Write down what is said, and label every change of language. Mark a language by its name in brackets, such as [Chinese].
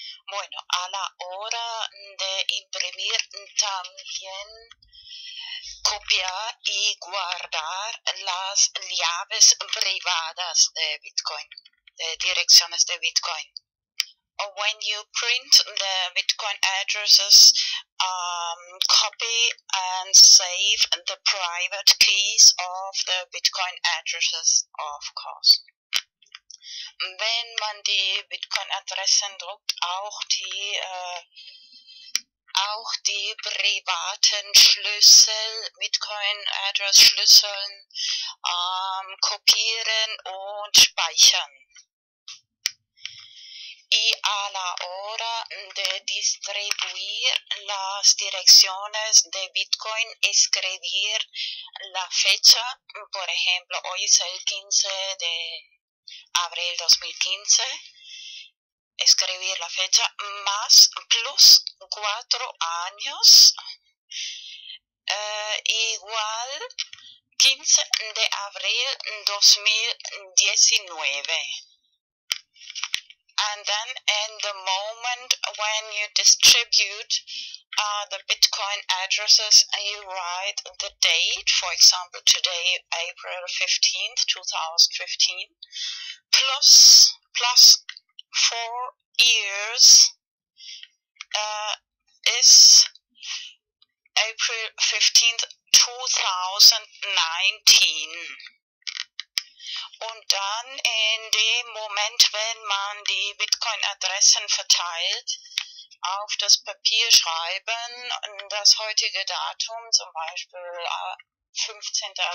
[Spanish] Bueno, a la hora de imprimir también, copiar y guardar las llaves privadas de Bitcoin, de direcciones de Bitcoin. [English] Or when you print the Bitcoin addresses, copy and save the private keys of the Bitcoin addresses, of course. [German] Wenn man die Bitcoin-Adressen druckt, auch die privaten Schlüssel, Bitcoin-Address-Schlüsseln, kopieren und speichern. [Spanish] Y a la hora de distribuir las direcciones de Bitcoin, escribir la fecha, por ejemplo, hoy es el 15 de abril 2015, escribir la fecha más plus 4 años igual 15 de abril 2019. [English] And then in the moment when you distribute the Bitcoin addresses, you write the date, for example, today, April 15th, 2015, plus 4 years is April 15th, 2019. [German] Und dann in dem Moment, wenn man die Bitcoin-Adressen verteilt, auf das Papier schreiben, das heutige Datum, zum Beispiel 15.